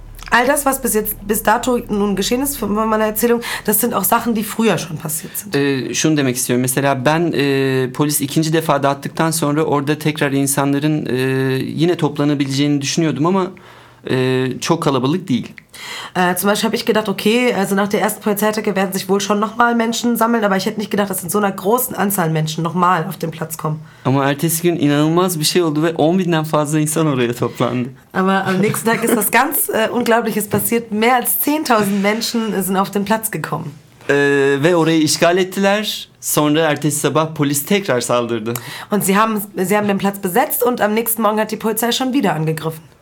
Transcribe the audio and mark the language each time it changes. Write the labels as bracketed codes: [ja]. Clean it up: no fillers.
[de] All das, was bis dato nun geschehen ist von meiner Erzählung, das sind auch Sachen, die früher schon passiert sind. [tr] Şunu demek istiyorum. Mesela ben polis ikinci defa dağıttıktan sonra orada tekrar insanların yine toplanabileceğini düşünüyordum ama çok kalabalık değil. [de] Zum Beispiel habe ich gedacht, okay, also nach der ersten Polizeiattacke werden sich wohl schon nochmal Menschen sammeln, aber ich hätte nicht gedacht, dass in so einer großen Anzahl Menschen nochmal auf den Platz kommen. [tr] Ama ertesi gün inanılmaz bir şey oldu ve 10.000'den fazla insan oraya toplandı. [de] Aber am nächsten Tag ist was ganz Unglaubliches passiert. Mehr als 10.000 Menschen sind auf den Platz gekommen. [tr] Ve orayı işgal ettiler. Sonra ertesi sabah polis tekrar saldırdı. [de] Und sie haben den Platz besetzt und am nächsten Morgen hat die Polizei schon wieder angegriffen.